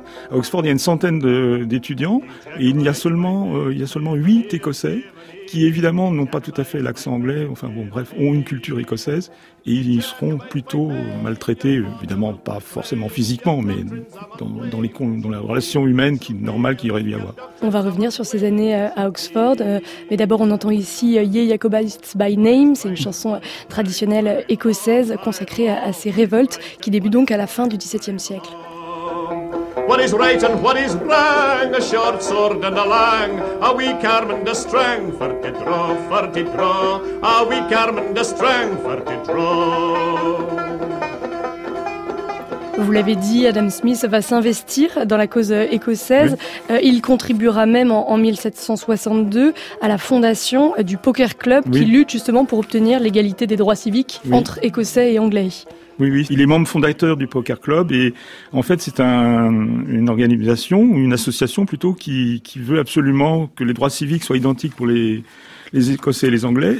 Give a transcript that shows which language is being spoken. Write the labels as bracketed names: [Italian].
[French] À Oxford, il y a une centaine d'étudiants, et il y a seulement 8 Écossais, qui évidemment n'ont pas tout à fait l'accent anglais, enfin bon, bref, ont une culture écossaise, et ils seront plutôt maltraités, évidemment pas forcément physiquement, mais dans la relation humaine qui normale qu'il y aurait dû y avoir. On va revenir sur ces années à Oxford, mais d'abord on entend ici « Ye Jacobites by Name », c'est une chanson traditionnelle écossaise consacrée à ces révoltes qui débutent donc à la fin du XVIIe siècle. [English] What is right and what is wrong? A short sword and a long, a weak arm and a strong, for to draw, for to draw. A weak arm and a strong, for to draw. [French] Vous l'avez dit, Adam Smith va s'investir dans la cause écossaise. Oui. Il contribuera même en 1762 à la fondation du Poker Club qui lutte justement pour obtenir l'égalité des droits civiques entre Écossais et Anglais. Oui, oui. Il est membre fondateur du Poker Club et en fait c'est une organisation, une association plutôt, qui veut absolument que les droits civiques soient identiques pour les Écossais et les Anglais.